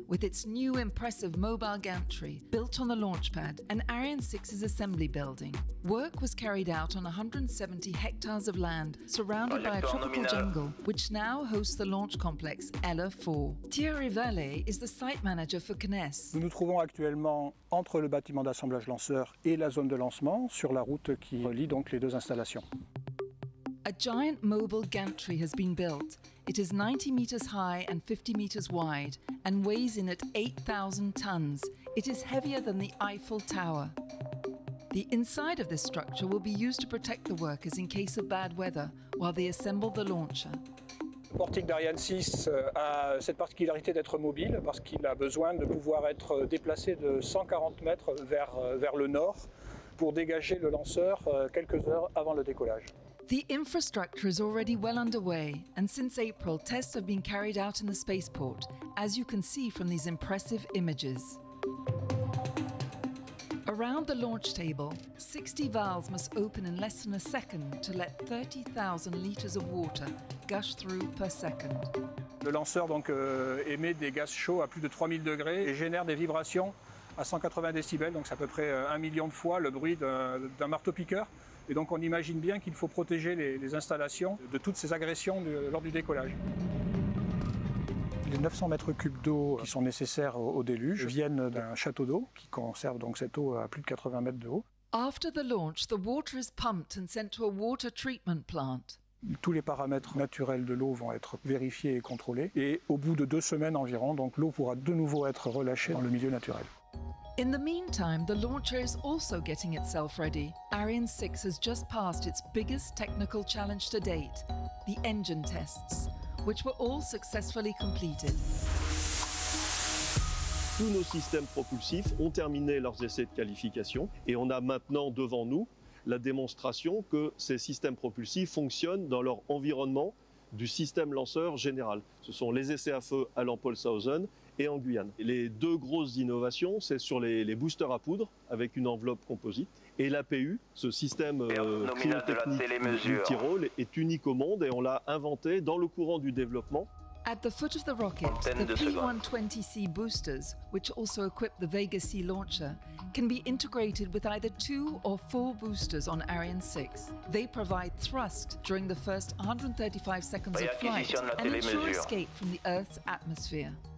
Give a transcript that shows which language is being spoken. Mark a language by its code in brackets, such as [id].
[en] With its new impressive mobile gantry built on the launch pad and Ariane 6's assembly building, work was carried out on 170 hectares of land surrounded by a tropical jungle, which now hosts the launch complex Ella 4. Thierry Vallée is the site manager for CNES. [fr] Nous nous trouvons actuellement entre le bâtiment d'assemblage lanceur et la zone de lancement sur la route qui relie donc les deux installations. [en] A giant mobile gantry has been built. It is 90 meters high and 50 meters wide and weighs in at 8,000 tons. It is heavier than the Eiffel Tower. The inside of this structure will be used to protect the workers in case of bad weather while they assemble the launcher. [fr] Le portique d'Ariane 6 a cette particularité d'être mobile parce qu'il a besoin de pouvoir être déplacé de 140 mètres vers le nord pour dégager le lanceur quelques heures avant le décollage. [en] The infrastructure is already well underway, and since April, tests have been carried out in the spaceport, as you can see from these impressive images. Around the launch table, 60 valves must open in less than a second to let 30,000 liters of water gush through per second. [fr] Le lanceur donc émet des gaz chauds à plus de 3000 degrés et génère des vibrations à 180 décibels, donc c'est à peu près 1 million de fois le bruit d'un marteau-piqueur. Et donc on imagine bien qu'il faut protéger les installations de toutes ces agressions lors du décollage. Les 900 mètres cubes d'eau qui sont nécessaires au déluge viennent d'un château d'eau qui conserve donc cette eau à plus de 80 mètres de haut. [en] After the launch, the water is pumped and sent to a water treatment plant. [fr] Tous les paramètres naturels de l'eau vont être vérifiés et contrôlés et au bout de 2 semaines environ, donc l'eau pourra de nouveau être relâchée dans le milieu naturel. [en] In the meantime, the launcher is also getting itself ready. Ariane 6 has just passed its biggest technical challenge to date, the engine tests, which were all successfully completed. [fr] Tous nos systèmes propulsifs ont terminé leurs essais de qualification et on a maintenant devant nous la démonstration que ces systèmes propulsifs fonctionnent dans leur environnement du système lanceur général. Ce sont les essais à feu à l'Empolshausen et en Guyane. Les deux grosses innovations, c'est sur les boosters à poudre avec une enveloppe composite et l'APU, ce système cryotechnique multi-rôle, la est unique au monde et on l'a inventé dans le courant du développement. [en] At the foot of the rocket, the P120C boosters, which also equip the Vega C launcher, can be integrated with either 2 or 4 boosters on Ariane 6. They provide thrust during the first 135 seconds of flight and ensure escape from the Earth's atmosphere.